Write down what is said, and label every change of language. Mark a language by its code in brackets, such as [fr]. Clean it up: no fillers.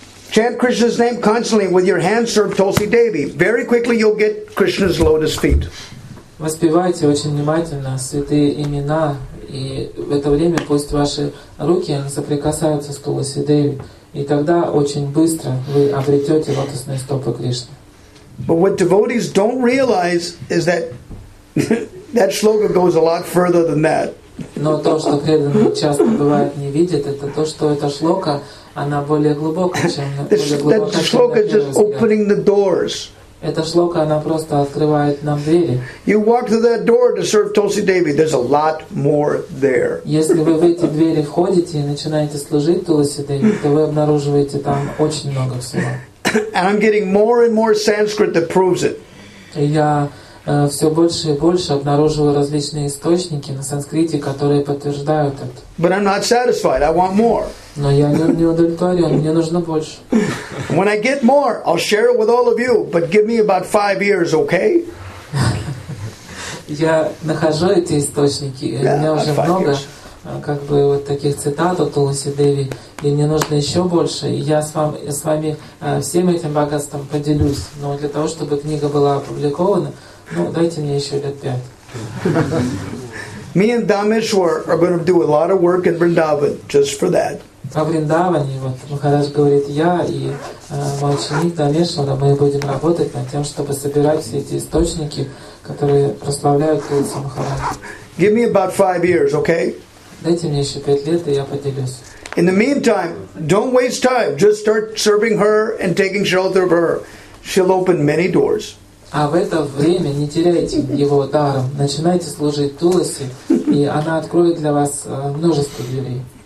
[en] Chant Krishna's name constantly with your hand served Tulsi Devi. Very quickly you'll get Krishna's lotus feet. [ru] Воспевайте очень внимательно святые имена, и в это время пусть ваши руки соприкасаются с Туласи Деви, и тогда очень быстро вы обретете лотосные стопы Кришны. [en] But what devotees don't realize is that that shloka goes a lot further than that. [ru] Но то, что преданный часто бывает не видит, это то, что эта шлока, она более глубокая, чем более глубокая, [en] just opening the doors. [ru] Эта шлока, она просто открывает нам двери. [en] You walk through that door to serve Tulsi Devi, there's a lot more there. [ru] Если вы в эти двери входите и начинаете служить Тулси Деви, то вы обнаруживаете там очень много всего. [en] And I'm getting more and more Sanskrit that proves it. [ru] Я все больше и больше обнаруживаю различные источники на санскрите, которые подтверждают это. [en] But I'm not satisfied. I want more. [ru] Но я не удовлетворен. Мне нужно больше. [en] When I get more, I'll share it with all of you. But give me about 5 years, okay? [ru] Я нахожу эти источники. У меня уже много, как бы вот таких цитат от Тулси Деви, и мне нужно еще больше. И я с вами всем этим богатством поделюсь. Но для того, чтобы книга была опубликована, ну дайте мне еще 5 лет. [en] Me and Dameshwar are going to do a lot of work in Vrindavan just for that. [ru] Во Вриндаване, вот Махарадж говорит, я и мой ученик Дамешвара, мы будем работать над тем, чтобы собирать все эти источники, которые прославляют Тулси Махарадж. [en] Give me about 5 years, okay? [ru] Дайте мне еще 5 лет, и я поделюсь. [en] In the meantime, don't waste time. Just start serving her and taking shelter of her. She'll open many doors. [ru] А в это время не теряйте его даром. Начинайте служить Тулси, и она откроет для вас множество дверей.